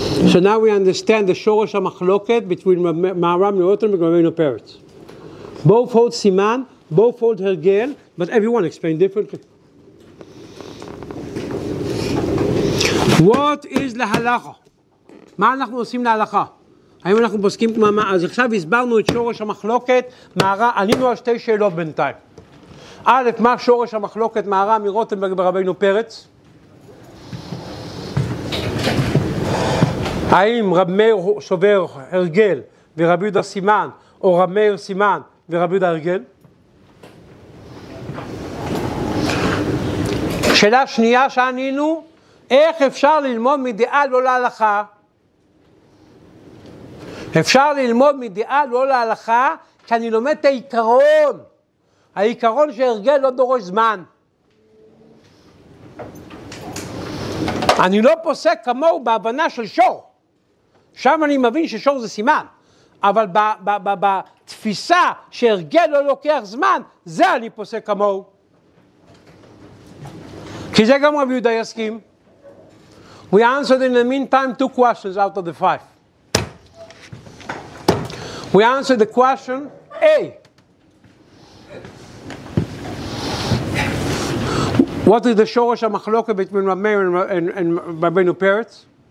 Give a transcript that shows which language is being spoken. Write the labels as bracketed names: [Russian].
[English] So now we understand the shorosh ha-machloket between Maharam Rotenberg and Rabbeinu Peretz. Both hold siman, both hold hergel, but everyone explained differently. What is lehalacha? [Hebrew] מה אנחנו עושים להלכה? האם אנחנו פוסקים כמה? אז עכשיו הסברנו את שורש המחלוקת, מהר"א, ענינו על שתי שאלות בינתיים. א', מה שורש המחלוקת מהר"א מרוטנברג ברבינו פרץ? האם רב מאיר סובר הרגל ורבי יהודה סימן, או רב מאיר סימן ורבי יהודה הרגל? שאלה שנייה שענינו, איך אפשר ללמוד מדעה לא להלכה? אפשר ללמוד מדעה לא להלכה כשאני לומד את העיקרון. העיקרון שהרגל לא דורש זמן. אני לא פוסק כמוהו בהבנה של שור. שם אני מבין ששור זה סימן. אבל בתפיסה שהרגל לא לוקח זמן, זה אני פוסק כמוהו. כי זה גם רבי יהודה יסכים. [English] We answered in the meantime two questions out of the five. We answered the question A. What is the shorosh ha-machloke between Rav Meir and Rabbeinu Peretz?